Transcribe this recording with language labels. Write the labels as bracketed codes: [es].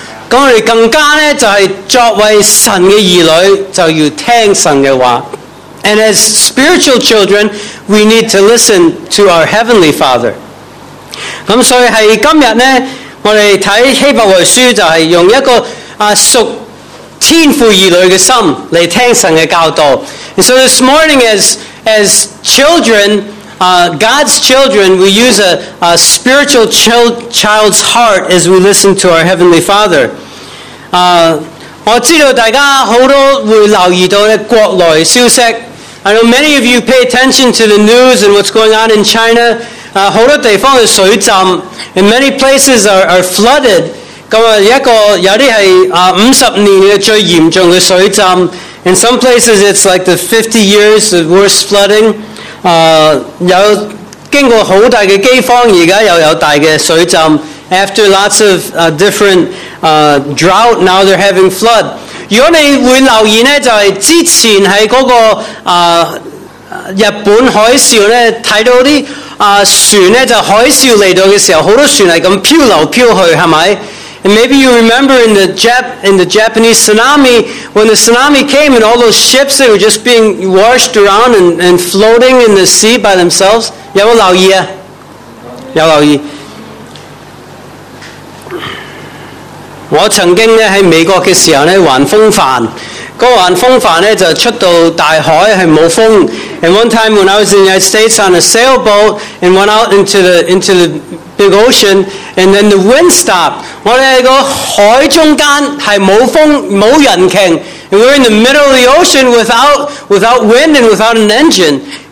[zh] 我们更加呢就是作为神的儿女就要听神的话 [en] And as spiritual children we need to listen to our Heavenly Father [zh] 所以是今天呢我们看希伯来书就是用一个属天父儿女的心来听神的教导 [en] And so this morning as children God's children we use a spiritual child's heart as we listen to our Heavenly Father [zh] 我知道大家很多会留意到国内消息 [en] I know many of you pay attention to the news and what's going on in China [zh] 很多地方的水浸 [en] and many places are flooded In some places it's like the 50 years of worst flooding. [zh] 有经过好大的饥荒，现在又有大的水浸。 [en] After lots of different drought, now they're having flood. [zh] 如果你会留意呢，就是之前在那个日本海啸呢，看到啲船呢，就海啸来到的时候，好多船是这样飘流飘去，是吗？ [en] And maybe you remember in the Japanese tsunami, when the tsunami came and all those ships, they were just being washed around and floating in the sea by themselves. [zh] 有没有留意啊？有留意。我曾经呢在美国的时候呢玩风帆，那个玩风帆呢就出到大海是没风。 [en] And one time when I was in the United States on a sailboat and went out into the big ocean, and then the wind stopped. We're in the middle of the ocean without wind and without an engine.